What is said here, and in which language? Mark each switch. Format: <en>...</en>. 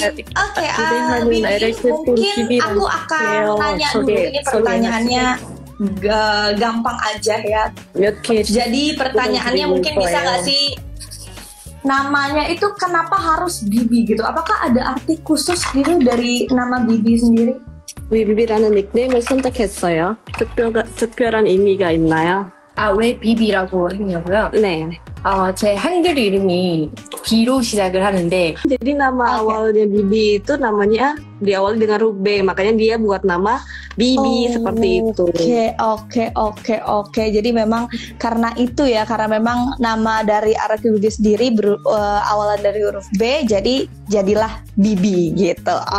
<id>Oke, mungkin aku akan tanya dulu ini pertanyaannya. Gampang aja ya.</id> <en>Okay.</en> <id>Jadi pertanyaannya mungkin bisa nggak sih, namanya itu kenapa harus Bibi gitu? Apakah ada arti khusus gitu dari nama Bibi sendiri?</id> <ko>Bibi라는 닉네임을 선택했어요. 특별한 의미가 있나요? 아, 왜 Bibi라고 했냐고요? 네. 제 한글 이름이 B로 시작을 하는데.</ko> <id>제리 nama awalnya Bibi itu namanya diawali dengan huruf B, makanya dia buat nama Bibi seperti itu. Oke. Jadi memang karena itu ya, karena memang nama dari Araki Bibi sendiri awalan dari huruf B, jadi jadilah Bibi gitu.</id>